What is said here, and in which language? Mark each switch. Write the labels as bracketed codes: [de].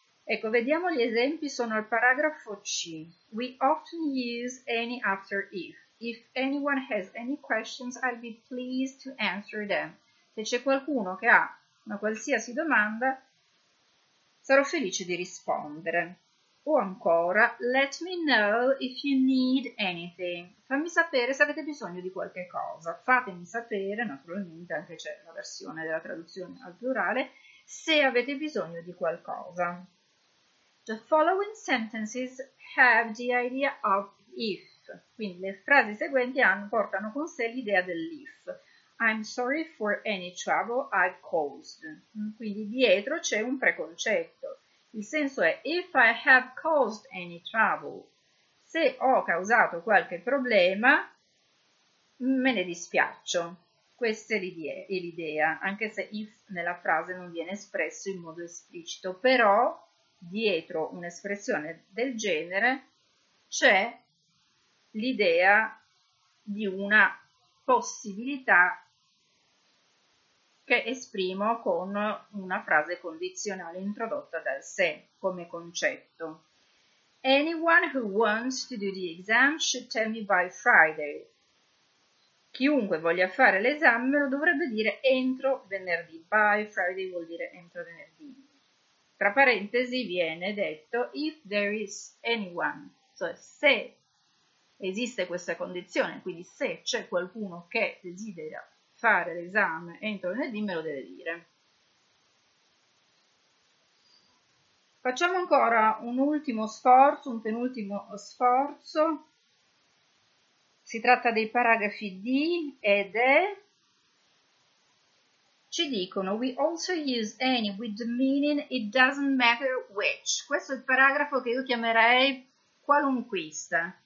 [it] Ecco, vediamo gli esempi, sono al paragrafo C. [en] We often use any after if. If anyone has any questions, I'll be pleased to answer them. [it] Se c'è qualcuno che ha una qualsiasi domanda, sarò felice di rispondere. O ancora, [en] let me know if you need anything. [it] Fammi sapere se avete bisogno di qualche cosa. Fatemi sapere, naturalmente anche c'è la versione della traduzione al plurale, se avete bisogno di qualcosa. [en] The following sentences have the idea of if. [it] Quindi le frasi seguenti portano con sé l'idea dell'if. [en] I'm sorry for any trouble I've caused. [it] Quindi dietro c'è un preconcetto. Il senso è [en] if I have caused any trouble. [it] Se ho causato qualche problema, me ne dispiaccio. Questa è l'idea, anche se if nella frase non viene espresso in modo esplicito, però dietro un'espressione del genere c'è l'idea di una possibilità che esprimo con una frase condizionale introdotta dal se come concetto. [en] Anyone who wants to do the exam should tell me by Friday. [it] Chiunque voglia fare l'esame lo dovrebbe dire entro venerdì. [en] By Friday [it] vuol dire entro venerdì. Tra parentesi viene detto [en] if there is anyone, [it] cioè se esiste questa condizione, quindi se c'è qualcuno che desidera fare l'esame entro lunedì, me lo deve dire. Facciamo ancora un ultimo sforzo, un penultimo sforzo. Si tratta dei paragrafi D ed E. Ci dicono: [en] We also use any with the meaning it doesn't matter which. [it] Questo è il paragrafo che io chiamerei qualunquista.